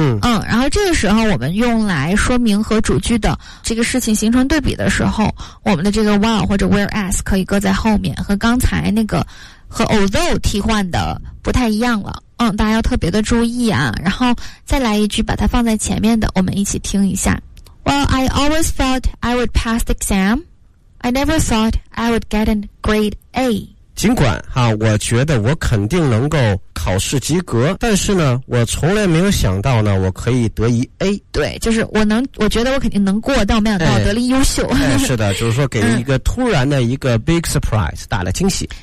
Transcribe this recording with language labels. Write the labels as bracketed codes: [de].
[zh] 然后这个时候我们用来说明和主句的这个事情形成对比的时候，我们的这个 while 或者 whereas 可以搁在后面，和刚才那个和 although 替换的不太一样了。大家要特别的注意啊。然后再来一句把它放在前面的，我们一起听一下。 [en] Well, I always thought I would pass the exam. I never thought I would get a grade A. [zh] 尽管哈，我觉得我肯定能够考试及格，但是呢我从来没有想到呢我可以得一 A。对，就是我觉得我肯定能过，但我没想到我得了优秀。是的，就是说给一个突然的一个 [en] big surprise [zh] 大的惊喜。